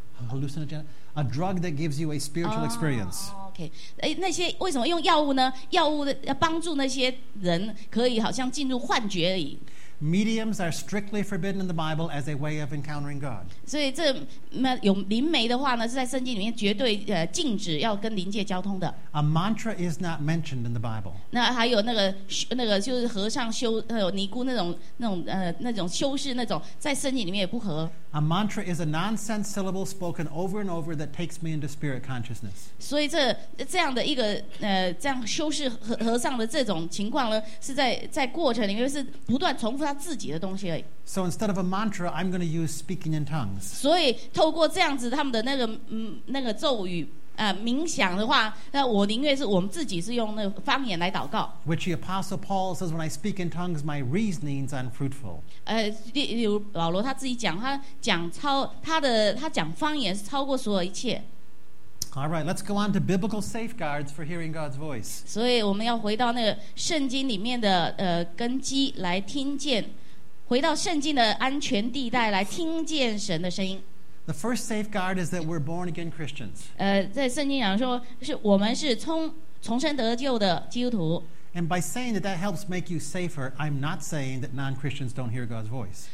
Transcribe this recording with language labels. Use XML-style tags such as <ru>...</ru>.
<en>hallucinogenic, a drug that gives you a spiritual experience.</en> <zh>Okay, 那些为什么用药物呢？药物要帮助那些人可以好像进入幻觉里。</zh> <en>Mediums are strictly forbidden in the Bible as a way of encountering God.</en> <zh>所以这有灵媒的话呢，是在圣经里面绝对禁止要跟灵界交通的。</zh> <en>A mantra is not mentioned in the Bible.</en> <zh>那还有那个就是和尚修尼姑那种修士那种，在圣经里面也不合。</zh> <en>A mantra is a nonsense syllable spoken over and over that takes me into spirit consciousness.</en> <zh>所以这样的一个这样修士和尚的这种情况呢，是在过程里面是不断重复。</zh> <en>So instead of a mantra, I'm going to use speaking in tongues.</en> <zh>所以透过这样子他们的那个咒语冥想的话，那我宁愿是我们自己是用那个方言来祷告。</zh> <en>Which the Apostle Paul says, when I speak in tongues, my reasonings are unfruitful.</en> <zh>保罗他自己讲，他讲方言是超过所有一切。</zh> <en>All right, let's go on to biblical safeguards for hearing God's voice.</en> <zh>所以我们要回到那个圣经里面的根基来听见，回到圣经的安全地带来听见神的声音。</zh> <en>The first safeguard is that we're born again Christians.</en> <zh>在圣经上说是我们是重生得救的基督徒。</zh> <en>And by saying that helps make you safer, I'm not saying that non-Christians don't hear God's voice.</en>